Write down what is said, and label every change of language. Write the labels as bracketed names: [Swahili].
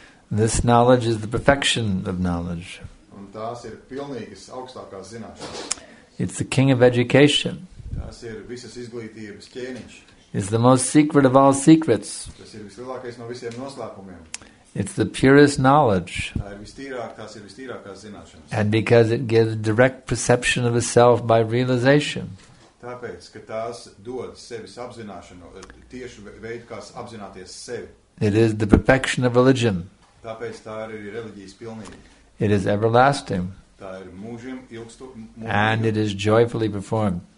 [English] This knowledge is the perfection of knowledge. [Latvian] Tās ir pilnīgas augstākās zināšanas. [English] It's the king of education. [Latvian] Tās ir visas izglītības ķēniņš. [English] It's the most secret of all secrets. [Latvian] Tas ir vislielākais no visiem noslēpumiem. [English] It's the purest knowledge. [Latvian] Tās ir vistīrākās zināšanas. [English] And because it gives direct perception of a self by realization. [Latvian] Tāpēc, ka tās dod sevis apzināšanu, tiešu veidu, kā apzināties sevi. [English] It is the perfection of religion. [Latvian] Tāpēc tā ir arī reliģijas pilnība. [English] It is everlasting. [Latvian] Tā ir mūžiem ilgstu, [English] and it is joyfully performed.